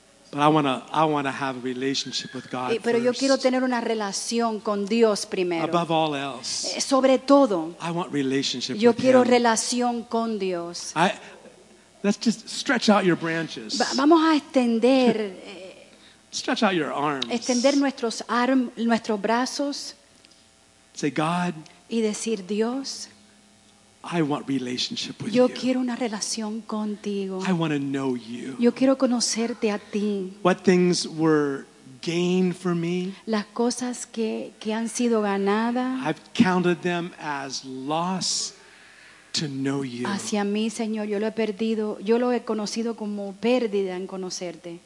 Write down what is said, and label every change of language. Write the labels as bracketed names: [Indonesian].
[English] But I want to have a relationship with God. [Spanish] Pero [English] first. [Spanish] Yo quiero tener una relación con Dios primero. [English] Above all else. [Spanish] Sobre todo. [English] I want relationship [Spanish] yo [English] with [Spanish] quiero [English] him. [Spanish] Relación con Dios. [English] Let's just stretch out your branches. [Spanish] Vamos a extender [English] stretch out your arms. [Spanish] Extender nuestros brazos. [English] Say God. [Spanish] Y decir Dios. [English] I want relationship with [Spanish] yo [English] you. [Spanish] Quiero una relación contigo. [English] I want to know you. [Spanish] Yo quiero conocerte a ti. [English] What things were gained for me? [Spanish] Las cosas que han sido ganadas. [English] I've counted them as loss to know you. [Spanish] Hacia mí, Señor, yo lo he perdido. Yo lo he conocido como pérdida en conocerte.